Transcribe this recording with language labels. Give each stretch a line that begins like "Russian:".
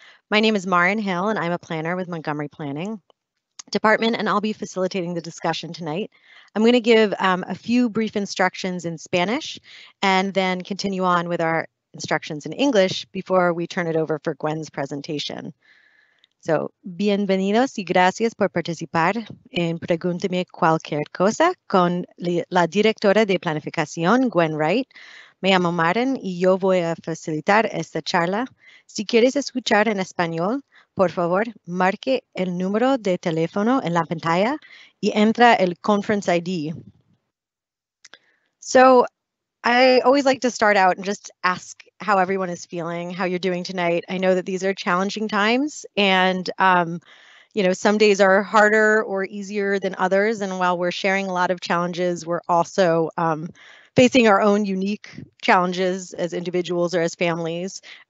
English: My name is Marin Hill, and I'm a planner with Montgomery Planning Department, and I'll be facilitating the discussion tonight. I'm going to give a few brief instructions in Spanish and then continue on with our instructions in English before we turn it over for Gwen's presentation.
Spanish: So, bienvenidos y gracias por participar en Pregúnteme Cualquier Cosa con la directora de planificación, Gwen Wright. Me llamo Maren y yo voy a facilitar esta charla. Si quieres escuchar en español, por favor, marque el número de teléfono en la pantalla y entra el conference ID.
English: So, I always like to start out and just ask how everyone is feeling, how you're doing tonight. I know that these are challenging times and, you know, some days are harder or easier than others. And while we're sharing a lot of challenges, we're also facing our own unique challenges as individuals or as families.